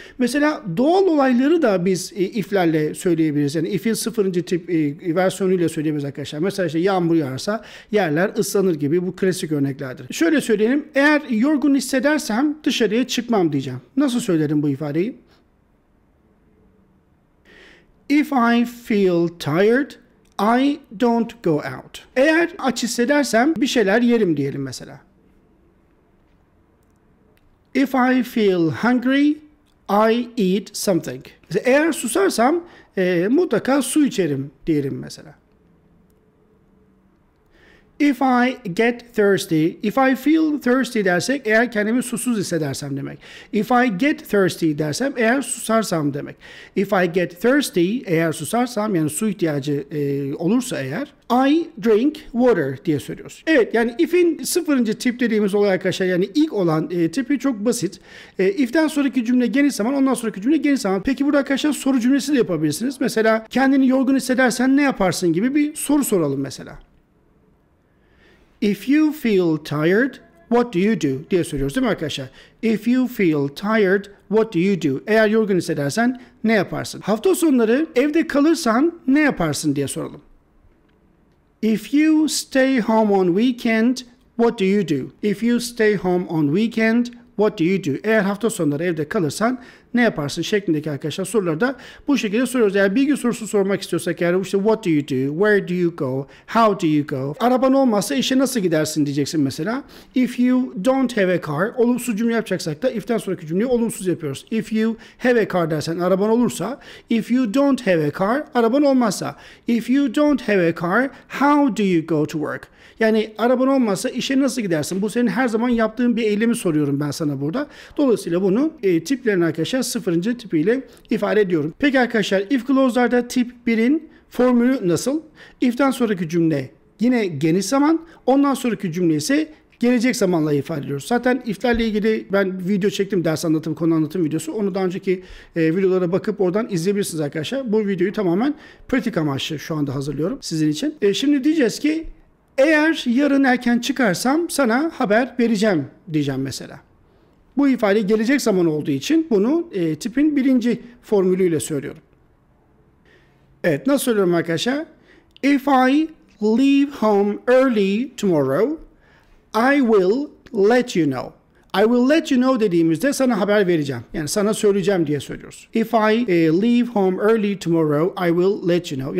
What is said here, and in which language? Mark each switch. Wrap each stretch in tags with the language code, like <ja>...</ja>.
<tr>Mesela doğal olayları da biz if'lerle söyleyebiliriz. Yani if'in sıfırıncı tip versiyonuyla söyleyebiliriz arkadaşlar. Mesela işte yağmur yağarsa yerler ıslanır gibi bu klasik örneklerdir. Şöyle söyleyelim, eğer yorgun hissedersem dışarıya çıkmam diyeceğim. Nasıl söylerim bu ifadeyi?</tr> <en>If I feel tired, I don't go out.</en> <tr>Eğer aç hissedersem bir şeyler yerim diyelim mesela.</tr> <en>If I feel hungry, I eat something.</en> <tr>Eğer susarsam mutlaka su içerim diyelim mesela.</tr> <en>If I get thirsty, if I feel thirsty</en> <tr>dersek eğer kendimi susuz hissedersem demek.</tr> <en>If I get thirsty</en> <tr>dersem eğer susarsam demek.</tr> <en>If I get thirsty</en> <tr>eğer susarsam yani su ihtiyacı olursa eğer</tr> <en>I drink water</en> <tr>diye söylüyoruz. Evet yani if'in sıfırıncı tip dediğimiz olay arkadaşlar yani ilk olan tipi çok basit. If'den sonraki cümle geniş zaman ondan sonraki cümle geniş zaman. Peki burada arkadaşlar soru cümlesi de yapabilirsiniz. Mesela kendini yorgun hissedersen ne yaparsın gibi bir soru soralım mesela.</tr> <en>If you feel tired, what do you do?</en> <tr>Diye soruyoruz değil mi arkadaşlar?</tr> <en>If you feel tired, what do you do?</en> <tr>Eğer yorgun hissedersen ne yaparsın? Hafta sonları evde kalırsan ne yaparsın diye soralım.</tr> <en>If you stay home on weekend, what do you do? If you stay home on weekend, what do you do?</en> <tr>Eğer hafta sonları evde kalırsan ne yaparsın şeklindeki arkadaşlar soruları da bu şekilde soruyoruz. Eğer bilgi sorusu sormak istiyorsak yani işte</tr> <en>what do you do, where do you go, how do you go?</en> <tr>Araban olmazsa işe nasıl gidersin diyeceksin mesela.</tr> <en>If you don't have a car,</en> <tr>olumsuz cümle yapacaksak da if'ten sonraki cümleyi olumsuz yapıyoruz.</tr> <en>If you have a car</en> <tr>dersen araban olursa,</tr> <en>if you don't have a car,</en> <tr>araban olmazsa.</tr> <en>If you don't have a car, how do you go to work?</en> <tr>Yani araban olmazsa işe nasıl gidersin? Bu senin her zaman yaptığın bir eylemi soruyorum ben sana burada. Dolayısıyla bunu tiplerini arkadaşlar sıfırıncı tipiyle ifade ediyorum. Peki arkadaşlar if clause'larda tip 1'in formülü nasıl? If'den sonraki cümle yine geniş zaman, ondan sonraki cümle ise gelecek zamanla ifade ediyoruz. Zaten if'lerle ilgili ben video çektim, ders anlatım, konu anlatım videosu. Onu daha önceki videolara bakıp oradan izleyebilirsiniz arkadaşlar. Bu videoyu tamamen pratik amaçlı şu anda hazırlıyorum sizin için. Şimdi diyeceğiz ki eğer yarın erken çıkarsam sana haber vereceğim diyeceğim mesela. Bu ifade gelecek zaman olduğu için bunu tipin birinci formülüyle söylüyorum. Evet nasıl söylüyorum arkadaşlar?</tr> <en>If I leave home early tomorrow, I will let you know. I will let you know</en> <tr>dediğimizde sana haber vereceğim. Yani sana söyleyeceğim diye söylüyoruz.</tr> <en>If I leave home early tomorrow, I will let you know.</en>